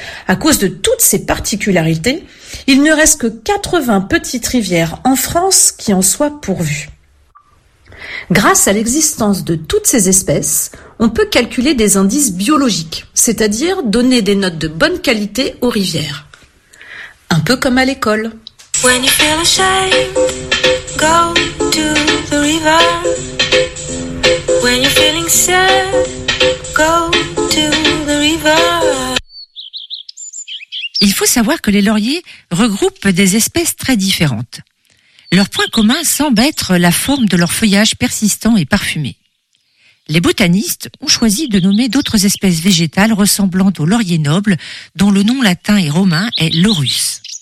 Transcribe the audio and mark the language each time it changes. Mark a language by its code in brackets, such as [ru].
[fr] À cause de toutes ces particularités, il ne reste que 80 petites rivières en France qui en soient pourvues. Grâce à l'existence de toutes ces espèces, on peut calculer des indices biologiques, c'est-à-dire donner des notes de bonne qualité aux rivières. Un peu comme à l'école. [en] When you feel ashamed, go to the river. When you're feeling sad, go to the river. [fr] Il faut savoir que les lauriers regroupent des espèces très différentes. Leur point commun semble être la forme de leur feuillage persistant et parfumé. Les botanistes ont choisi de nommer d'autres espèces végétales ressemblant aux lauriers nobles, dont le nom latin et romain est laurus.